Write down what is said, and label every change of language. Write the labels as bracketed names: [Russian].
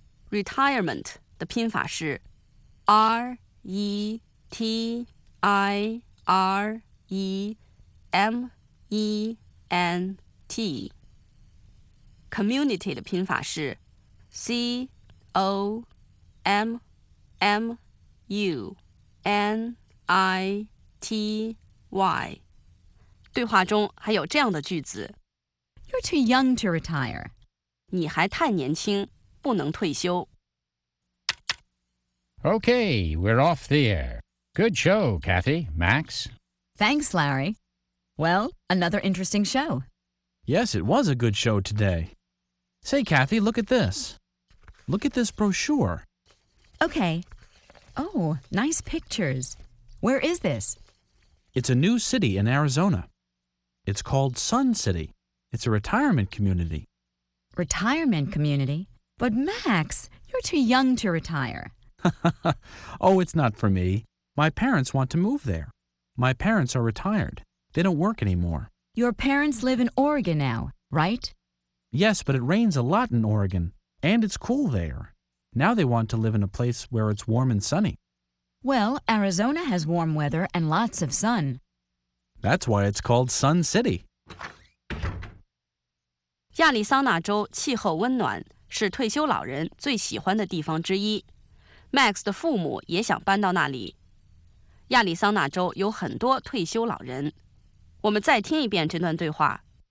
[Chinese] Retirement 的拼法是R-E-T-I-R-E-M-E-N-T Community 的拼法是 C-O-M-M-U-N-I-T-Y 对话中还有这样的句子 [English] You're too young to retire [Chinese] 你还太年轻不能退休 [English] Okay, we're off the air. Good show, Cathy, Max. Thanks, Larry. Well, another interesting show. Yes, it was a good show today. Say, Cathy, look at this. Look at this brochure. Okay. Oh, nice pictures. Where is this? It's a new city in Arizona. It's called Sun City. It's a retirement community. Retirement community? But Max, you're too young to retire. Oh, it's not for me. My parents want to move there. My parents are retired. They don't work anymore. Your parents live in Oregon now, right? Yes, but it rains a lot in Oregon, and it's cool there. Now they want to live in a place where it's warm and sunny. Well, Arizona has warm weather and lots of sun. That's why it's called Sun City. [Chinese] 亚利桑那州气候温暖，是退休老人最喜欢的地方之一。 Max 的父母也想搬到那里。亚利桑那州有很多退休老人。我们再听一遍这段对话。